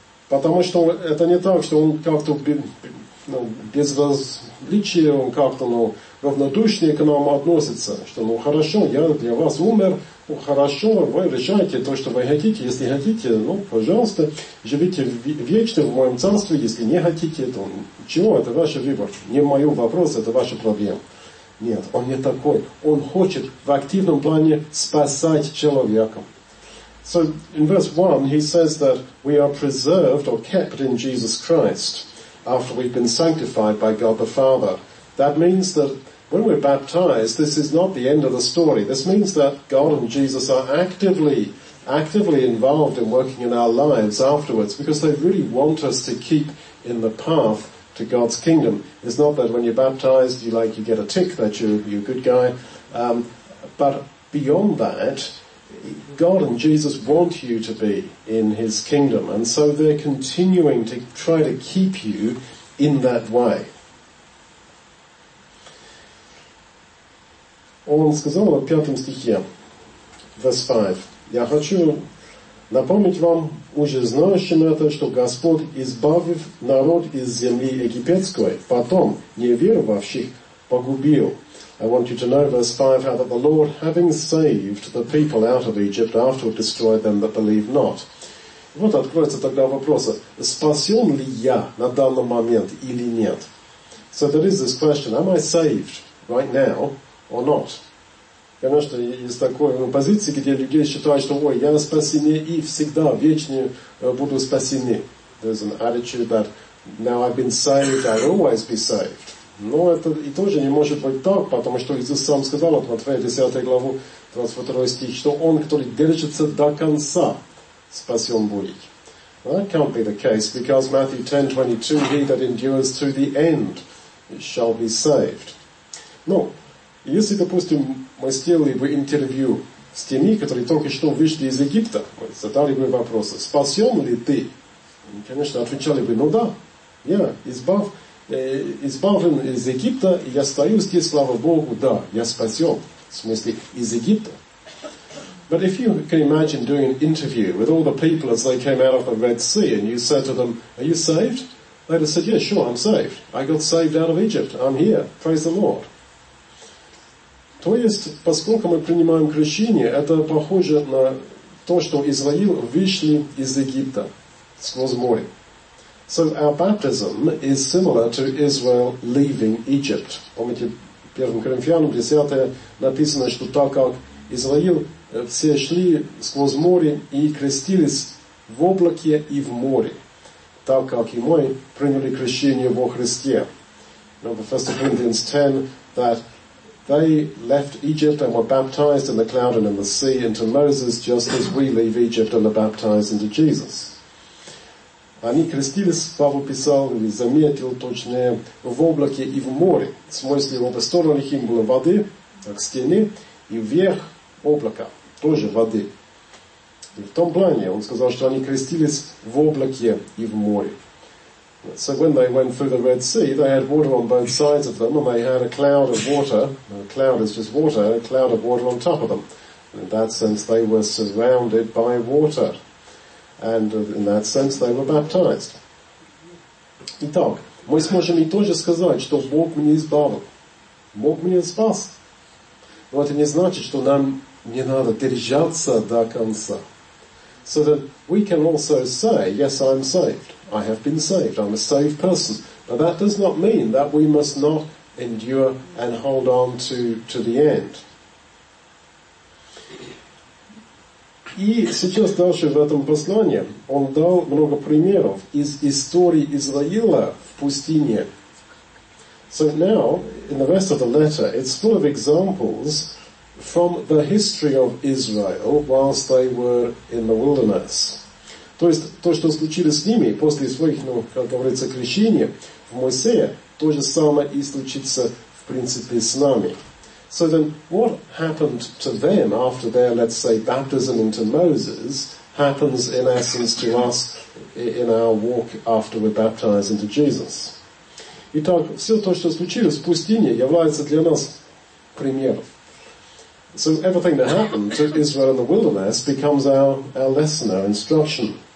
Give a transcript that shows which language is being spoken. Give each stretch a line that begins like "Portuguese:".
Russian: Потому что это не так, что он как-то безразличие, он как-то равнодушнее к нам относится, что ну хорошо, я для вас умер, ну хорошо, вы решайте то, что вы хотите, если хотите, ну пожалуйста, живите вечно в моем царстве, если не хотите, то чего, это ваш выбор, не мой вопрос, это ваша проблема. Нет, он не такой, он хочет в активном плане спасать человека.
English: So in verse 1 he says that we are preserved or kept in Jesus Christ after we've been sanctified by God the Father. That means that when we're baptized, this is not the end of the story. This means that God and Jesus are actively involved in working in our lives afterwards, because they really want us to keep in the path to God's kingdom. It's not that when you're baptized, you get a tick that you're a good guy. But beyond that, God and Jesus want you to be in His kingdom, and so they're continuing to try to keep you in that way.
Russian: Он сказал в пятом стихе,
English: verse 5,
Russian: «Я хочу напомнить вам, уже знающим это, что Господь, избавив народ из земли египетской, потом неверовавших погубил».
English: I want you to know, verse 5, how that the Lord, having saved the people out of Egypt, afterward destroyed them that believed not.
Russian: Вот откроется тогда вопрос, спасен ли я на данный момент или нет?
English: So there is this question, am I saved right now or not?
Russian: Конечно, есть такой позиции, где люди считают, что ой, я спасенный и всегда, вечно буду спасенный.
English: There's an attitude that now I've been saved, I'll always be saved.
Russian: Но это и тоже не может быть так, потому что Иисус сам сказал от Матфея 10 главу 22 стих, что он, который держится до конца, спасен будет.
English: Well, that can't be the case, because Matthew 10:22, he that endures to the end shall be saved.
Russian: Но, если, допустим, мы сделали бы интервью с теми, которые только что вышли из Египта, мы задали бы вопрос, спасен ли ты? И, конечно, отвечали бы, ну да, я избавлен из Египта, и я стою здесь, слава Богу, да, я спасен, в смысле, из Египта.
English: But if you can imagine doing an interview with all the people as they came out of the Red Sea, and you said to them, are you saved? They'd have said, yeah, sure, I'm saved. I got saved out of Egypt. I'm here. Praise the Lord.
Russian: То есть, поскольку мы принимаем крещение, это похоже на то, что Израиль вышли из Египта сквозь море.
English: So our baptism is similar to Israel leaving Egypt.
Russian: Помните, в 1 Коринфянам 10 написано, что так как Израиль все шли сквозь море и крестились в облаке и в море, так как и мы приняли крещение во Христе.
English: Now the 1 Corinthians 10, that they left Egypt and were baptized in the cloud and in the sea into Moses, just as we leave Egypt and are baptized into Jesus.
Russian: Они крестились, Павел писал, или заметил точнее, в облаке и в море. В смысле, в обе стороны им было воды, как стены, и вверх облака, тоже воды. И в том плане он сказал, что они крестились в облаке и в море.
English: So when they went through the Red Sea, they had water on both sides of them, and they had a cloud of water. A cloud is just water, a cloud of water on top of them. And in that sense, they were surrounded by water. And in that sense, they were baptized.
Russian: Итак, мы сможем и тоже сказать, что Бог меня избавил. Бог меня спас. Но это не значит, что нам не надо держаться до конца.
English: So that we can also say, yes, I'm saved. I have been saved. I'm a saved person. But that does not mean that we must not endure and hold on to the end.
Russian: И сейчас дальше в этом послании он дал много примеров из истории Израиля в пустыне.
English: So now, in the rest of the letter, it's full of examples from the history of Israel whilst they were in the wilderness.
Russian: То есть, то, что случилось с ними после своих, ну, как говорится, крещения в Моисея, то же самое и случится, в принципе, с нами.
English: So then, what happened to them after their, let's say, baptism into Moses, happens, in essence, to us in our walk after we're baptized into Jesus.
Russian: Итак, все то, что случилось в пустыне, является для нас примером.
English: So everything that happened to Israel in the wilderness becomes our lesson, our instruction.